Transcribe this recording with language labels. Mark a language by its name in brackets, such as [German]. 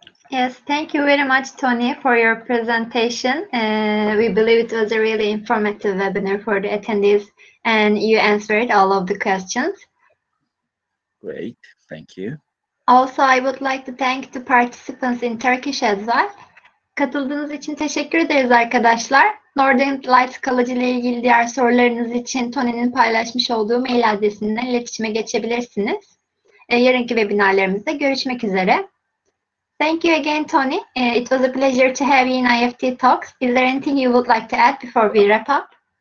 [English] Yes, thank you very much, Tony, for your presentation. We believe it was a really informative webinar for the attendees, and you answered all of the questions. Great, thank you. Also, I would like to thank the participants in Turkish as well. [Turkish] Katıldığınız için teşekkür ederiz arkadaşlar. Northern Lights College ile ilgili diğer sorularınız için Tony'nin paylaşmış olduğu mail adresinden iletişime geçebilirsiniz. Yarınki webinarlarımızda görüşmek üzere. [English] Thank you again, Tony. It was a pleasure to have you in IEFT Talks. Is there anything you would like to add before we wrap up?